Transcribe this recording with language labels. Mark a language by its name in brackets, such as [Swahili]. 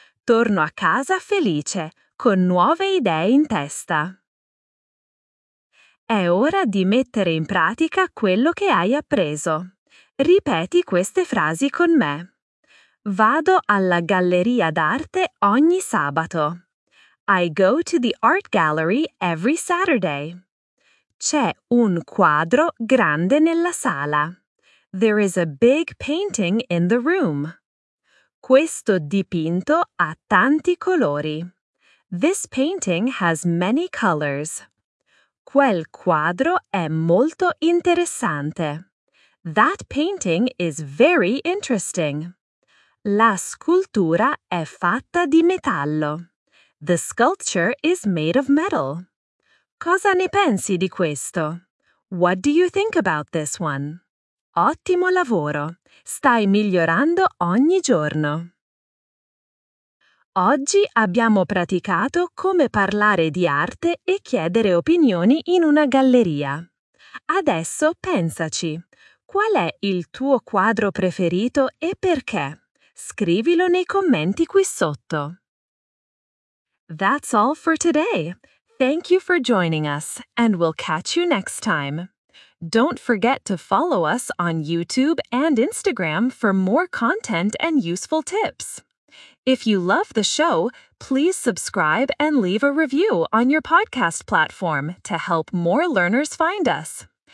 [Italian] Torno a casa felice, con nuove idee in testa. È ora di mettere in pratica quello che hai appreso. Ripeti queste frasi con me. Vado alla galleria d'arte ogni sabato. [English] I go to the art gallery every Saturday. [Italian] C'è un quadro grande nella sala. [English] There is a big painting in the room. [Italian] Questo dipinto ha tanti colori. [English] This painting has many colors. [Italian] Quel quadro è molto interessante. [English] That painting is very interesting. [Italian] La scultura è fatta di metallo. [English] The sculpture is made of metal. [Italian] Cosa ne pensi di questo? [English] What do you think about this one? [Italian] Ottimo lavoro! Stai migliorando ogni giorno. Oggi abbiamo praticato come parlare di arte e chiedere opinioni in una galleria. Adesso pensaci, Qual è il tuo quadro preferito e perché? Scrivilo nei commenti qui sotto. [English] That's all for today. Thank you for joining us, and we'll catch you next time. Don't forget to follow us on YouTube and Instagram for more content and useful tips. If you love the show, please subscribe and leave a review on your podcast platform to help more learners find us.